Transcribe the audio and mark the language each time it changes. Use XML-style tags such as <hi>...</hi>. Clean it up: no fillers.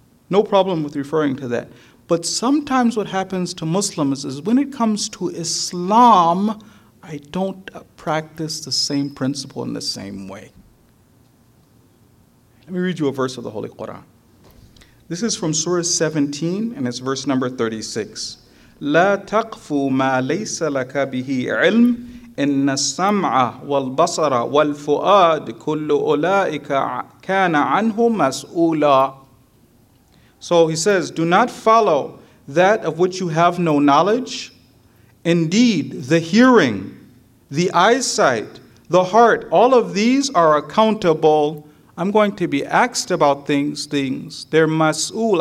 <en>No problem with referring to that. But sometimes what happens to Muslims is when it comes to Islam, I don't practice the same principle in the same way. Let me read you a verse of the Holy Quran. This is from Surah 17, and it's verse number 36.</en> <ar>لا تقف ما ليس لك به علم إن السمع والبصر والفؤاد كل أولئك كان عنه مسؤولا.</ar> <en>So he says, do not follow that of which you have no knowledge. Indeed, the hearing, the eyesight, the heart, all of these are accountable. I'm going to be asked about these things. They're mas'ul.</en>